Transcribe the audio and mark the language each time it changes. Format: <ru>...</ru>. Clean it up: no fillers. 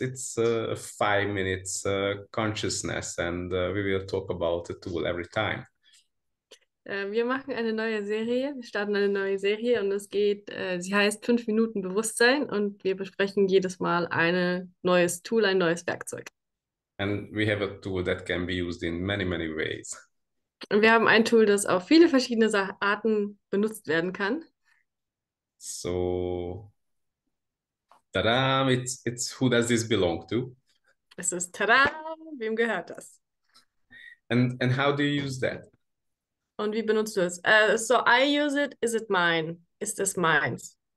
<en>It's 5 minutes consciousness and we will talk about the tool every time.</en> <de>Wir machen eine neue Serie, wir starten eine neue Serie und es geht, sie heißt 5 Minuten Bewusstsein und wir besprechen jedes Mal ein neues Tool, ein neues Werkzeug.</de> <en>And we have a tool that can be used in many, many ways.</en> <de>Und wir haben ein Tool, das auf viele verschiedene Arten benutzt werden kann.</de> <en>So, tada, it's who does this belong to?</en> <de>Es ist Tada! Wem gehört das?</de> <en>And how do you use that?</en> <de>Und wie benutzt du es?</de> <en>So I use it, is it mine?</en> <de>Ist es meins?</de>